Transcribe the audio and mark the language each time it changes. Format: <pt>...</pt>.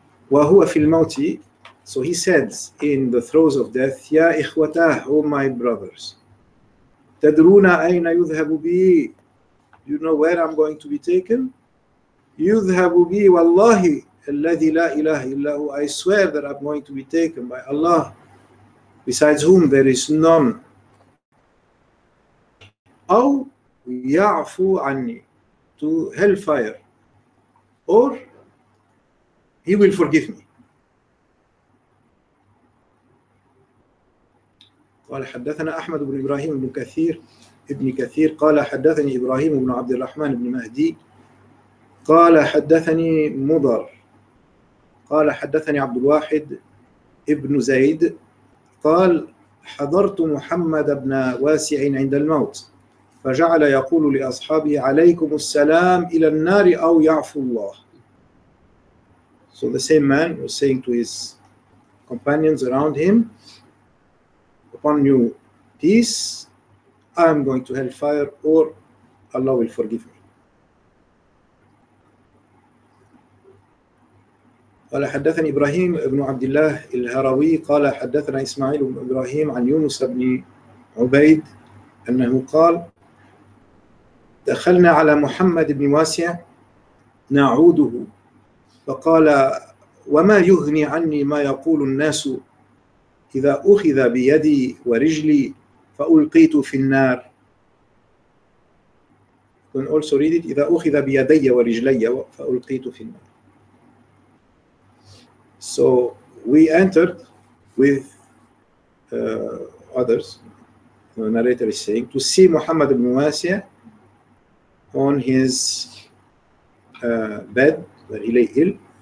<ar>وَهُوَ فِي الْمَوْتِ,</ar> <en>so he said in the throes of death,</en> <ar>يَا إِخْوَتَاهُ,</ar> <en>O my brothers,</en> <ar>تَدْرُونَ أَيْنَ يُذْهَبُ بِي,</ar> <en>you know where I'm going to be taken?</en> <ar>يُذْهَبُ بِي وَاللَّهِ الَّذِي لَا إِلَهِ إِلَّا هُوَ.</ar> <en>I swear that I'm going to be taken by Allah, besides whom there is none.</en> <ar>أَوْ يَعْفُو عَنِّي,</ar> <en>to hellfire. Or he will forgive me.</en> <ar>قال حدثنا أحمد بن إبراهيم بن كثير ابن كثير قال حدثني إبراهيم بن عبد الرحمن بن مهدي قال حدثني مضر قال حدثني عبد الواحد ابن زيد قال حضرت محمد بن واسع عند الموت فجعل يقول لأصحابه عليكم السلام إلى النار أو يعفو الله.</ar> <en>So the same man was saying to his companions around him, upon you peace, I am going to hellfire, or Allah will forgive me.</en> <ar>قال حدثني إبراهيم ابن عبد الله الهروي قال حدثنا إسماعيل بن إبراهيم عن يونس بن عبيد أنه قال دخلنا على محمد بن واسع نعوده فقال وما يغني عني ما يقول الناس إذا أخذ بيدي ورجلي فألقيت في النار.</ar> <en>Can also read it,</en> <ar>إذا أخذ بيدي ورجلي فألقيت في النار.</ar> <en>So we entered with others, the narrator is saying, to see Muhammad ibn Wasi' on his bed where he lay ill.</en>